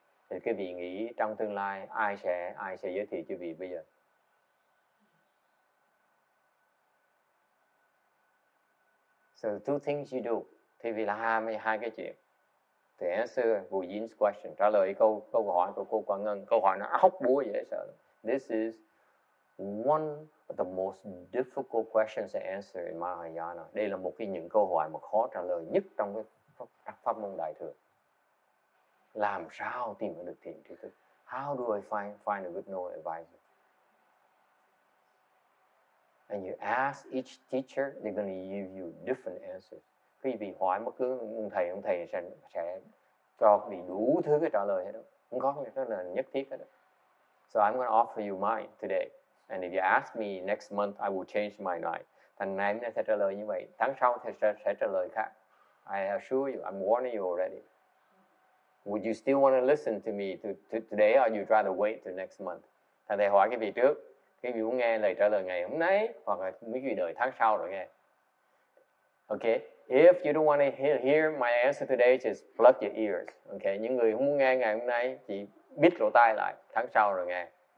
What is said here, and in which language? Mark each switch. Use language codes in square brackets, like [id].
[vi] Thì cái vị nghĩ trong tương lai, ai sẽ giới thiệu cho vị bây giờ? [en] So two things you do. [vi] Thì vì là hai cái chuyện. [en] To answer Wu Yin's question, [vi] trả lời câu hỏi của cô Quảng Ngân, câu hỏi nó hóc búa dễ sợ. [en] This is one of the most difficult questions to answer in Mahayana. [vi] Đây là một cái những câu hỏi mà khó trả lời nhất trong cái pháp môn đại thừa. Làm sao tìm được thiền trí thức? [en] How do I find a good no advisor? And you ask each teacher, they're going to give you different answers. [vi] Quý vị hỏi bất cứ ông thầy sẽ cho quý vị đủ thứ cái trả lời hết đó. Không có cái trả lời nhất thiết hết đó. [en] So I'm going to offer you mine today. And if you ask me next month, I will change my mind. [vi] Tháng này mình sẽ trả lời như vậy. Tháng sau thì sẽ trả lời khác. [en] I assure you, I'm warning you already. Would you still want to listen to me today or you'd rather wait till next month? [vi] Thầy hỏi quý vị trước. Quý vị muốn nghe lời trả lời ngày hôm nay hoặc là quý vị đợi tháng sau rồi nghe. Okay? [en] If you don't want to hear my answer today, just plug your ears. Okay, [vi] những người không nghe ngày hôm nay, chỉ bít lỗ tai lại, tháng sau rồi nghe.